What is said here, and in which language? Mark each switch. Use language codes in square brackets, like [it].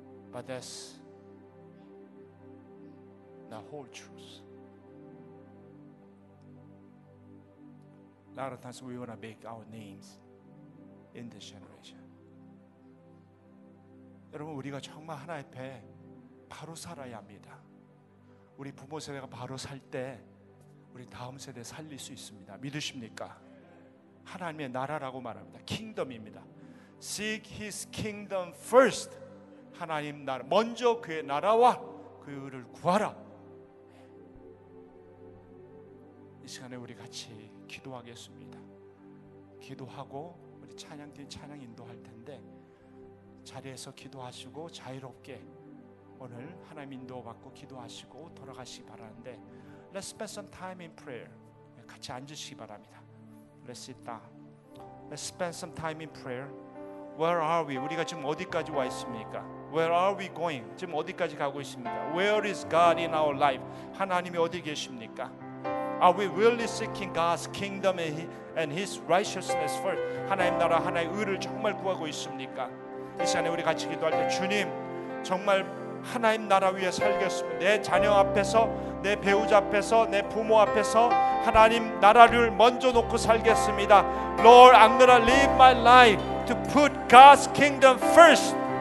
[en] But that's the whole truth. A lot of times we want to make our names in this generation. [ko] 여러분, 우리가 정말 하나님 앞에 바로 살아야 합니다. 우리 부모 세대가 바로 살 때 우리 다음 세대 살릴 수 있습니다. 믿으십니까? 하나님의 나라라고 말합니다. 킹덤입니다. [en] Seek His kingdom first. [ko] 하나님 나라 먼저 그의 나라와 그 그를 구하라. 이 시간에 우리 같이 기도하겠습니다. 기도하고 우리 찬양팀 찬양 인도할 텐데 자리에서 기도하시고 자유롭게 오늘 하나님 인도받고 기도하시고 돌아가시기 바라는데 [en] Let's spend some time in prayer. [ko] 같이 앉으시기 바랍니다. [en] Let's sit down. Let's spend some time in prayer. Where are we? [ko] 우리가 지금 어디까지 와 있습니까? [en] Where are we going? [ko] 지금 어디까지 가고 있습니까? [en] Where is God in our life? [ko] 하나님이 어디 계십니까? [en] Are we really seeking God's kingdom and His righteousness first? [ko] 하나님 나라 하나님의 의를 정말 구하고 있습니까? 이 시간에 우리 같이 기도할 때 주님 정말 하나님 나라 위에 살겠습니다. 내 자녀 앞에서 내 배우자 앞에서 내 부모 앞에서 하나님 나라를 먼저 놓고 살겠습니다. [en] Lord, I'm gonna live my life to put God's kingdom first.